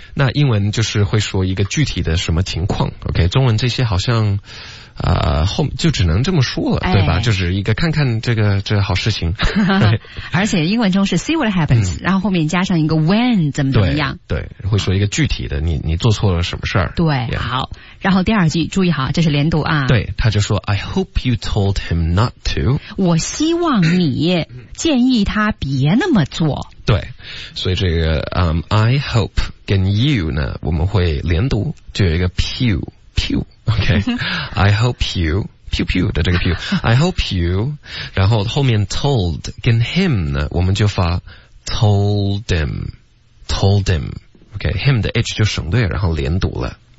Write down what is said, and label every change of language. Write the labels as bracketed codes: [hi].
[zh] 那英文就是会说一个具体的什么情况 ,OK, 中文这些好像后就只能这么说了，对吧？哎，就是一个看看这个好事情。而且英文中是 [en] see what happens, [zh] 然后后面加上一个 when, 怎么样。对，会说一个具体的，你做错了什么事儿。对，好。然后第二句注意好，这是连读啊。对，他就说 [en] I hope you told him not to. [zh] 我希望你建议他别那么做。对，所以这个I hope 跟 you 呢，我们会连读，就有一个 pew pew， OK， [en] I hope you pew pew [zh] 的这个 pew， I hope you， 然后后面 told 跟 him 呢，我们就发 told him told him， OK， him 的 h 就省略，然后连读了。